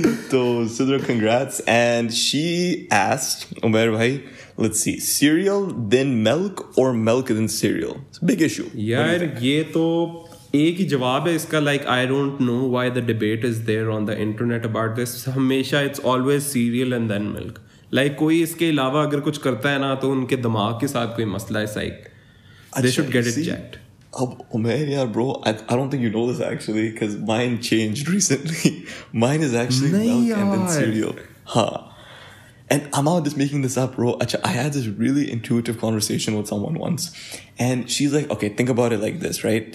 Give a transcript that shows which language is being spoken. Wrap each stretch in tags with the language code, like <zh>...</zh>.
<en>So Sidra, congrats. And she asked, Umair bhai, let's see, cereal then milk or milk then cereal? It's a big issue.</en> <hi>Yaar, ye to ek jawab hai iska.</hi> <en>Like, I don't know why the debate is there on the internet about this.</en> <hi>Hamesha,</hi> <en>it's always cereal and then milk.</en> <hi>Like, कोई इसके अलावा अगर कुछ करता है ना तो उनके दिमाग के साथ कोई मसला है.</hi> <en>साइक, they should get it checked.</en> <hi>अब उमेर यार</hi> <en>bro, I don't think you know this actually, because mine changed recently. Mine is actually milk and then cereal. And I'm not just making this up, bro. I had this really intuitive conversation with someone once. And she's like, okay, think about it like this, right?</en>